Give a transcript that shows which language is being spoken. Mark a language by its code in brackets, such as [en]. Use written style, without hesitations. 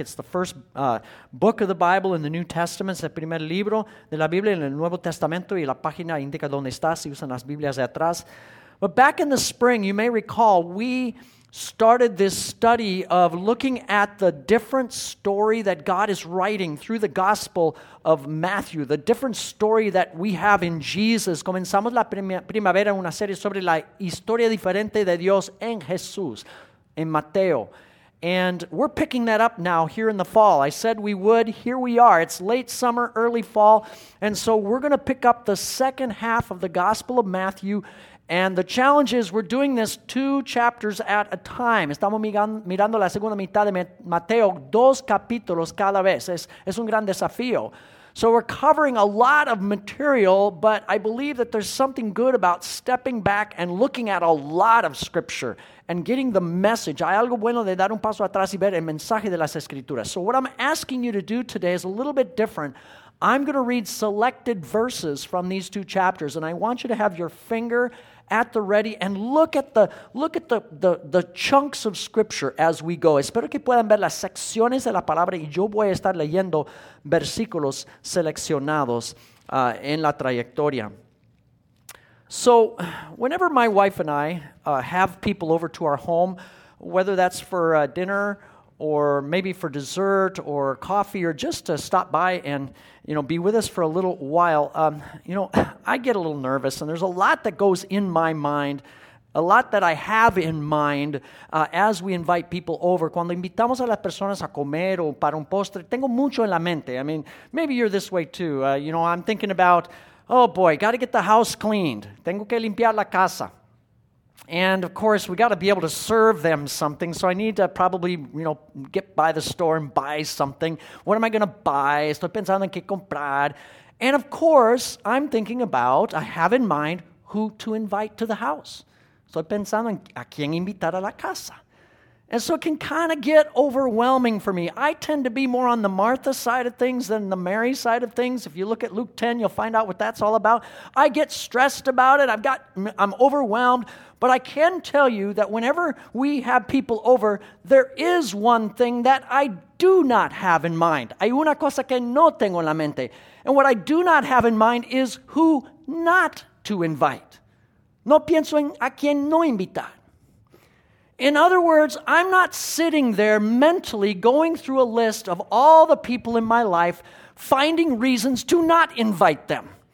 [en] It's the first book of the Bible in the New Testament. [es] Es el primer libro de la Biblia en el Nuevo Testamento y la página indica dónde está si usan las Biblias de atrás. [en] But back in the spring, you may recall, we started this study of looking at the different story that God is writing through the Gospel of Matthew, the different story that we have in Jesus. [es] Comenzamos la primavera una serie sobre la historia diferente de Dios en Jesús, en Mateo. [en] And we're picking that up now here in the fall. I said we would. Here we are. It's late summer, early fall. And so we're going to pick up the second half of the Gospel of Matthew. And the challenge is we're doing this two chapters at a time. [es] Estamos mirando la segunda mitad de Mateo, dos capítulos cada vez. Es un gran desafío. [en] So we're covering a lot of material, but I believe that there's something good about stepping back and looking at a lot of scripture and getting the message. [es] Hay algo bueno de dar un paso atrás y ver el mensaje de las escrituras. [en] So what I'm asking you to do today is a little bit different. I'm going to read selected verses from these two chapters, and I want you to have your finger at the ready and look at the chunks of scripture as we go. [es] Espero que puedan ver las secciones de la palabra y yo voy a estar leyendo versículos seleccionados en la trayectoria. [en] So, whenever my wife and I have people over to our home, whether that's for dinner or maybe for dessert or coffee or just to stop by and, you know, be with us for a little while, you know, I get a little nervous, and there's a lot that goes in my mind, a lot that I have in mind as we invite people over. [es] Cuando invitamos a las personas a comer o para un postre, tengo mucho en la mente. [en] I mean, maybe you're this way too. You know, I'm thinking about, oh boy, got to get the house cleaned. [es] Tengo que limpiar la casa. [en] And of course, we got to be able to serve them something. So I need to probably, you know, get by the store and buy something. What am I going to buy? [es] Estoy pensando en qué comprar. [en] And of course, I'm thinking about, I have in mind who to invite to the house. [es] Estoy pensando en a quién invitar a la casa. [en] And so it can kind of get overwhelming for me. I tend to be more on the Martha side of things than the Mary side of things. If you look at Luke 10, you'll find out what that's all about. I get stressed about it. I'm overwhelmed. But I can tell you that whenever we have people over, there is one thing that I do not have in mind. [es] Hay una cosa que no tengo en la mente. [en] And what I do not have in mind is who not to invite. [es] No pienso en a quien no invitar. [en] In other words, I'm not sitting there mentally going through a list of all the people in my life, finding reasons to not invite them.